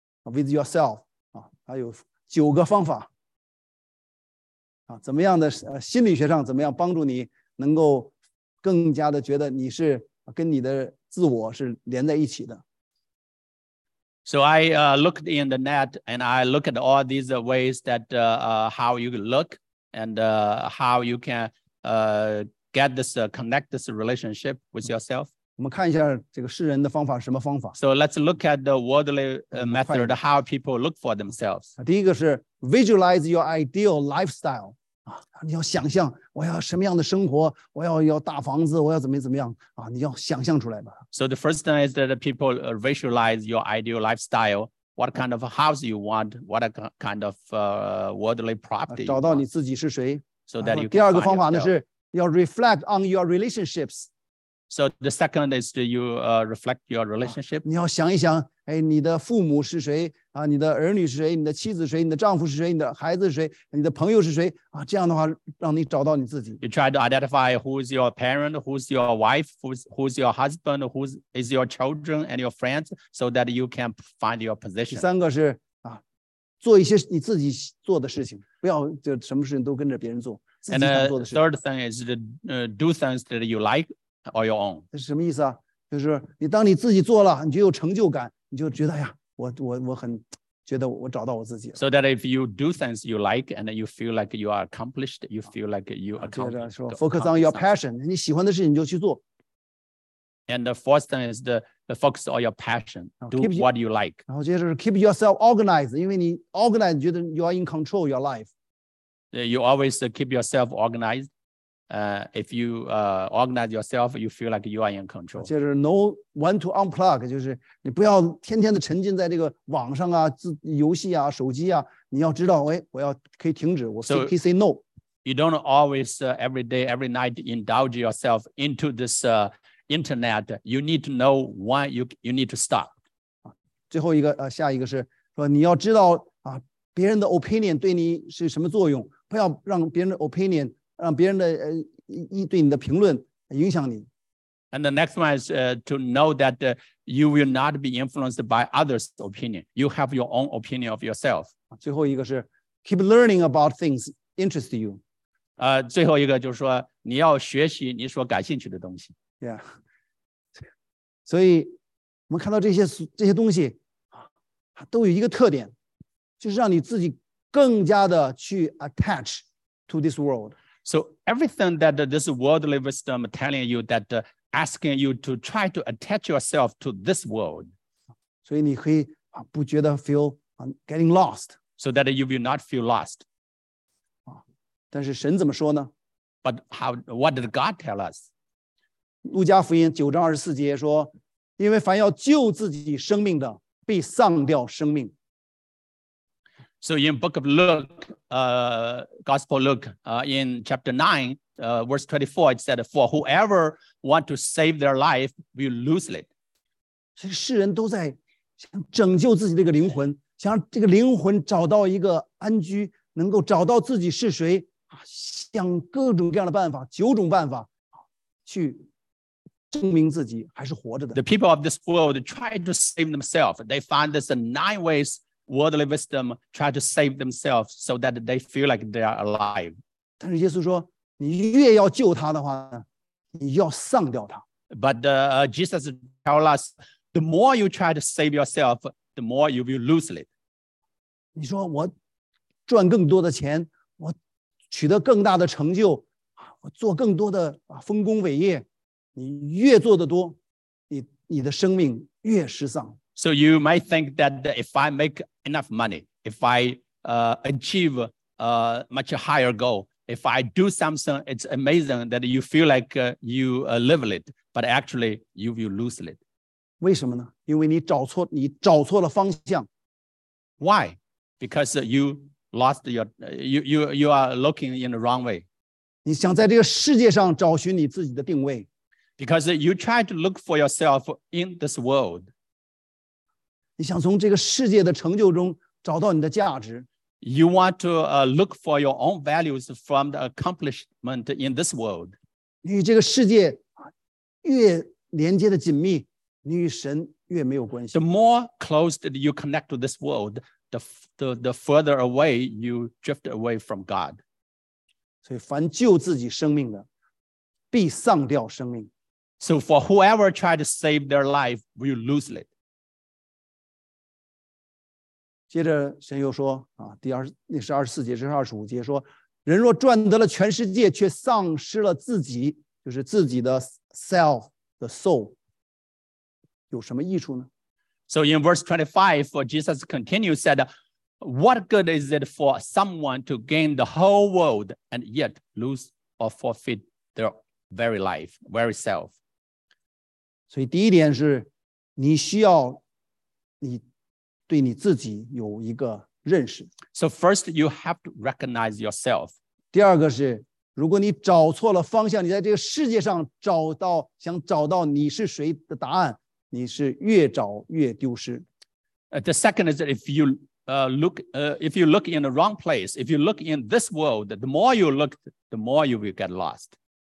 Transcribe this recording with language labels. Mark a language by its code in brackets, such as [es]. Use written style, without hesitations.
[en] With yourself, [zh] 它有九个方法。怎么样的心理学上怎么样帮助你能够更加的觉得你是跟你的自我是连在一起的。 [en] So I looked in the net and I looked at all these ways that how you look and how you can get this connect this relationship with yourself. [zh] 我们看一下这个世人的方法是什么方法。 [en] So let's look at the worldly method, how people look for themselves. [zh] 第一个是 [en] visualize your ideal lifestyle. [zh] 你要想象我要什么样的生活，我要大房子，我要怎么怎么样，你要想象出来吧。 [en] So the first thing is that people visualize your ideal lifestyle, what kind of house you want, what kind of worldly property. [zh] 找到你自己是谁。 [en] So that you can find yourself. [zh] 第二个方法呢是要 [en] reflect on your relationships. So the second is you reflect your relationship. [zh] 你要想一想，你的父母是谁？啊，你的儿女是谁，你的妻子是谁，你的丈夫是谁，你的孩子是谁，你的朋友是谁，啊，这样的话让你找到你自己。 [en] You try to identify who's your parent, who's your wife, who's your husband, who's is your children and your friends, so that you can find your position. [zh] 三个是啊，做一些你自己做的事情，不要就什么事情都跟着别人做。 [en] And the third thing is to do things that you like or your own. [zh] 这是什么意思啊？就是你当你自己做了，你就有成就感，你就觉得呀。我很觉得我找到我自己了。 [en] So that if you do things you like and you feel like you are accomplished, you feel like you accomplished. [zh] 接着说 [en] ，focus on your passion. [zh] 你喜欢的事情你就去做。 [en] And the fourth thing is the focus on your passion. Do what you like. [zh] 然后接着是 [en] keep yourself organized, [zh] 因为你 [en] organized, [zh] 觉得 [en] you are in control of your life. You always keep yourself organized. If you organize yourself, you feel like you are in control. [zh] 就是 [en] know when to unplug, [zh] 就是你不要天天的沉浸在这个网上啊、游戏啊、手机啊，你要知道，哎，我要可以停止，我可以 [en] say no. You don't always every day, every night indulge yourself into this internet. You need to know when you need to stop. [zh] 最后一个下一个是说你要知道啊，别人的 [en] opinion [zh] 对你是什么作用，不要让别人的 opinion。让别人的对你的评论影响你。 [en] And the next one is to know that you will not be influenced by others' opinion. You have your own opinion of yourself. [zh] 最后一个是 [en] keep learning about things interest you. [zh] 最后一个就是说你要学习你所感兴趣的东西。 [en] Yeah. [zh] 所以我们看到这些东西都有一个特点，就是让你自己更加的去 [en] attach to this world. So everything that this worldly wisdom is telling you that asking you to try to attach yourself to this world. So you can [zh] 不觉得 [en] feel getting lost. So that you will not feel lost. [zh] 但是神怎么说呢? [en] But what did God tell us? [zh] 路加福音九章二十四节说因为凡要救自己生命的必丧掉生命。 [en] So in book of Luke, Gospel Luke, in chapter 9, verse 24, it said, For whoever want to save their life will lose it. [zh] 所以世人都在想拯救自己的一个灵魂，想这个灵魂找到一个安居，能够找到自己是谁，想各种各样的办法，九种办法去证明自己还是活着的。 [en] The people of this world try to save themselves. They find this nine ways. Worldly wisdom try to save themselves so that they feel like they are alive. [zh] 但是耶稣说，你越要救他的话，你要丧掉他。 [en] But Jesus tells us, the more you try to save yourself, the more you will lose it. [zh] 你说我赚更多的钱，我取得更大的成就，我做更多的丰功伟业，你越做得多，你的生命越失丧。 [en] So you might think that if I make enough money, if I achieve a much higher goal, if I do something, it's amazing that you feel like you live it, but actually you will lose it. [zh] 为什么呢？因为你找错了方向。 [en] Why? Because you lost your, you are looking in the wrong way. [zh] 你想在这个世界上找寻你自己的定位。 [en] Because you try to look for yourself in this world. [zh] 你想从这个世界的成就中找到你的价值。 [en] You want to look for your own values from the accomplishment in this world. [zh] 你与这个世界越连接的紧密，你与神越没有关系。 [en] The more closed you connect to this world, the further away you drift away from God. [zh] 所以凡救自己生命的，必丧掉生命。 [en] So for whoever tried to save their life, will lose it. [zh] 接着神又说啊，那是二十四节，这是二十五节，说人若赚得了全世界，却丧失了自己，就是自己的 self, [en] the soul, [zh] 有什么益处呢？ [en] So in verse 25, Jesus continued, said, What good is it for someone to gain the whole world and yet lose or forfeit their very life, very self? [zh] 所以第一点是你需要你对你自己有一个认识。 [en] So first, you have to recognize yourself. [zh] 第二个是，如果你找错了方向，你在这个世界上想找到你是谁的答案，你是越找越丢失。 [en] The second is that if you look in the wrong place, if you look in this world, the more you look, the more you will get lost.